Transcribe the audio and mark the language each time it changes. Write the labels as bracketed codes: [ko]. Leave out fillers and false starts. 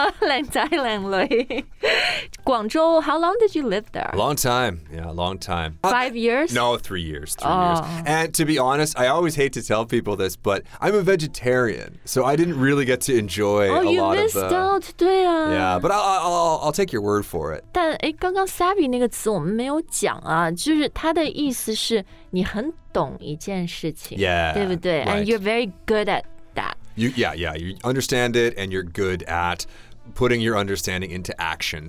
[en] Lang Zai, Lang Loi. Guangzhou, how long did you live there? Long time. Yeah, long time. 5 years? No, 3 years. Three years. And to be honest, I always hate to tell people this, but I'm a vegetarian, so I didn't really get to enjoy a lot of the... Oh, you missed out. [zh] 对啊。 [en] Yeah, but I'll take your word for it. [zh] 但刚刚savvy那个词我们没有讲啊，就是它的意思是你很懂一件事情， [en] yeah, [zh] 对不对？ [en] Right. And you're very good at that. You understand it and you're good at putting your understanding into action.